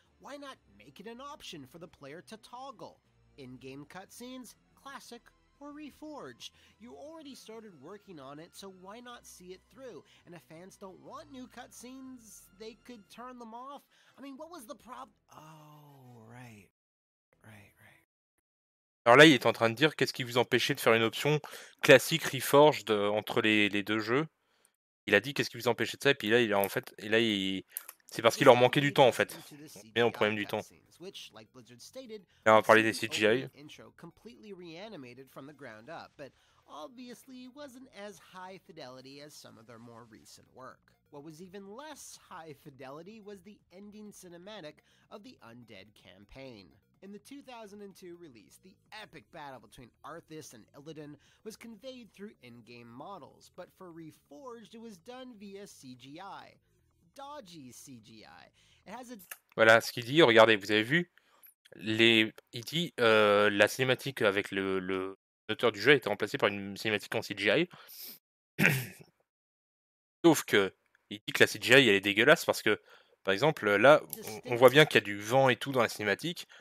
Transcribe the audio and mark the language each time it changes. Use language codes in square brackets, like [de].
[en] Why not make it an option for the player to toggle? In-game cutscenes, classic, or reforged? You already started working on it, so why not see it through? And if fans don't want new cutscenes, they could turn them off? I mean, what was the problem? Oh, right. [fr] Alors là, il est en train de dire, qu'est-ce qui vous empêchait de faire une option classique reforged entre les deux jeux? Il a dit, qu'est-ce qui vous empêchait de ça? Et puis là, c'est parce qu'il leur manquait du temps, en fait. Bien au problème du temps. Là, on va parler des CGI. [en] Intro completely reanimated from the ground up, but obviously wasn't as high fidelity as some of their more recent work. What was even less high fidelity was the ending cinematic of the Undead campaign. In the 2002 release, the epic battle between Arthas and Illidan was conveyed through in-game models, but for Reforged, it was done via CGI. Dodgy CGI. It has a... [fr] Voilà ce qu'il dit, regardez, vous avez vu il dit la cinématique avec le moteur du jeu a été remplacée par une cinématique en CGI. Sauf que il dit que la CGI elle est dégueulasse parce que Par exemple, là, on voit bien qu'il y a du vent et tout dans la cinématique.